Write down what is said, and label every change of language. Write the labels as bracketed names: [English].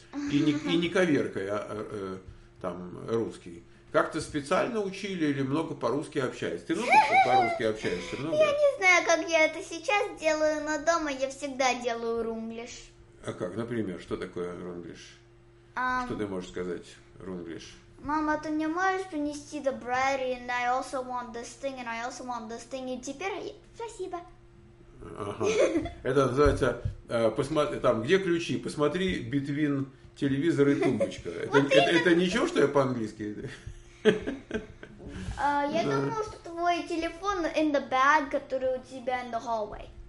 [Russian] И не коверкая там русский. Как-то специально учили или много по-русски общаешься? Ты много по-русски общаешься? Много? Я не знаю, как я это сейчас делаю, но дома я всегда делаю рунглиш. А как, например, что такое рунглиш? Что ты можешь сказать рунглиш? Мама, ты мне можешь принести [English] the bread, and I also want this thing, and I also want this thing, [Russian] и теперь спасибо. Ага. Это называется, посмотри, там, где ключи? Посмотри between телевизор и тумбочка. Это ничего, что я по-английски? Я думала, что твой телефон [English] in the bag, [Russian] который у тебя [English] in the hallway.